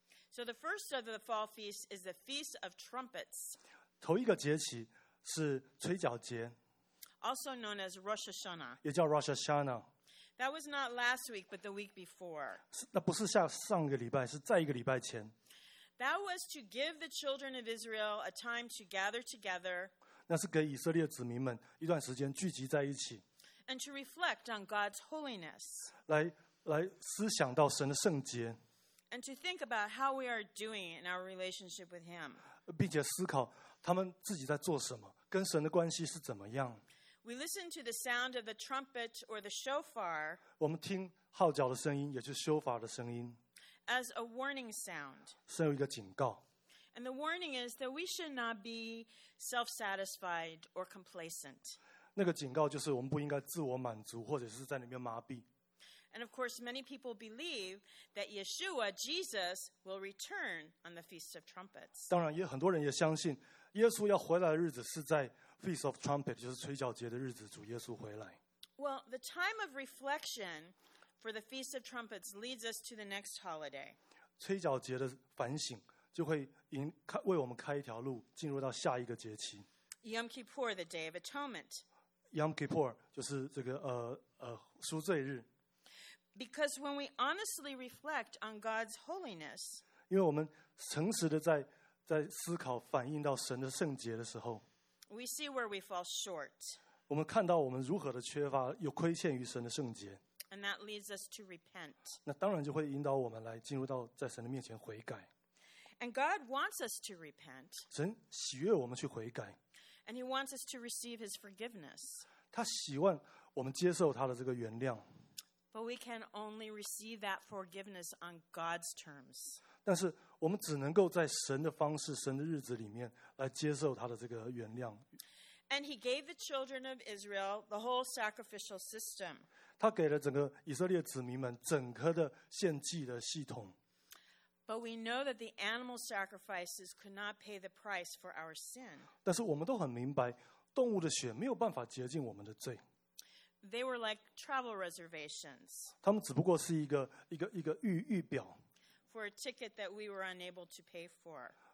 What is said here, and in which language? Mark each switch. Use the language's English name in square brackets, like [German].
[English] So the first of the fall feasts is the Feast of Trumpets. [Chinese] 头一个节期是吹角节。 [English] Also known as Rosh Hashanah. [Chinese] 也叫 Rosh Hashanah. [English] That was not last week, but the week before. [Chinese] 那不是下上个礼拜，是在一个礼拜前。 [English] That was to give the children of Israel a time to gather together. [Chinese] 那是给以色列子民们一段时间聚集在一起。 [English] And to reflect on God's holiness. [Chinese] 来思想到神的圣洁。 [English] And to think about how we are doing in our relationship with him. [Chinese] 并且思考他们自己在做什么，跟神的关系是怎么样。 [English] We listen to the sound of the trumpet or the shofar. [Chinese] 我们听号角的声音，也就是修法的声音。 [English] As a warning sound. [Chinese] 是有一个警告。 [English] And the warning is that we should not be self-satisfied or complacent. [Chinese] 那个警告就是我们不应该自我满足，或者是在里面麻痹。 [English] And of course, many people believe that Yeshua, Jesus, will return on the Feast of Trumpets. [Chinese] 当然，也很多人也相信耶稣要回来的日子是在 Feast of Trumpets， 就是吹角节的日子，主耶稣回来。 [English] Well, the time of reflection for the Feast of Trumpets leads us to the next holiday. [Chinese] 吹角节的反省就会为我们开一条路，进入到下一个节期。 [English] Yom Kippur, the Day of Atonement. [Chinese] Yom Kippur 就是这个赎罪日。 [English] Because when we honestly reflect on God's holiness, [Chinese] 因为我们诚实的在思考反映到神的圣洁的时候， [English] we see where we fall short. [Chinese] 我们看到我们如何的缺乏，又亏欠于神的圣洁。 [English] And that leads us to repent. [Chinese] 那当然就会引导我们来进入到在神的面前悔改。 [English] And God wants us to repent. [Chinese] 神喜悦我们去悔改。 [English] And he wants us to receive his forgiveness. [Chinese] 他希望我们接受他的这个原谅。 [English] But we can only receive that forgiveness on God's terms. [Chinese] 但是我们只能够在神的方式，神的日子里面来接受他的这个原谅。 [English] And he gave the children of Israel the whole sacrificial system. [Chinese] 他给了整个以色列子民们整个的献祭的系统。 [English] But we know that the animal sacrifices could not pay the price for our sin. [Chinese] 但是我们都很明白，动物的血没有办法洁净我们的罪。 [English] They were like travel reservations. [Chinese] 他们只不过是一个预表。 [English] For a ticket that we were unable to pay for.